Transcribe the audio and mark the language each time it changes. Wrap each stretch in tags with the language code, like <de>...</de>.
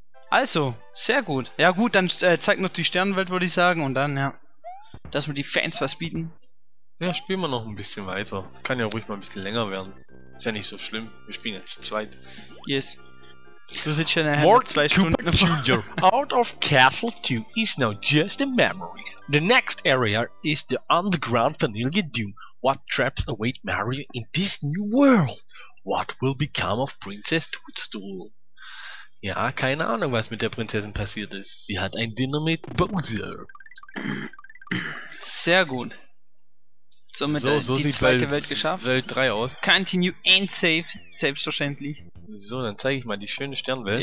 <de>Also, sehr gut. Ja gut, dann zeig noch die Sternenwelt, würde ich sagen. Und dann, ja, dass wir die Fans was bieten. Ja, spielen wir noch ein bisschen weiter. Kann ja ruhig mal ein bisschen länger werden. Ist ja nicht so schlimm. Wir spielen ja zu zweit.</de> <en>Yes.</en> <de>Du sitzt schon nachher 2 Stunden</de> <en>Junior, out of Castle 2 is now just a memory. The next area is the underground Vanilla Doom. What traps await Mario in this new world? What will become of Princess Toadstool?</en> <de>Ja, keine Ahnung, was mit der Prinzessin passiert ist. Sie hat ein Dinner mit Bowser. Sehr gut. Somit so die zweite Welt geschafft. Welt 3 aus.</de> <en>Continue and save,</en> <de>selbstverständlich. So, dann zeige ich mal die schöne Sternwelt.</de>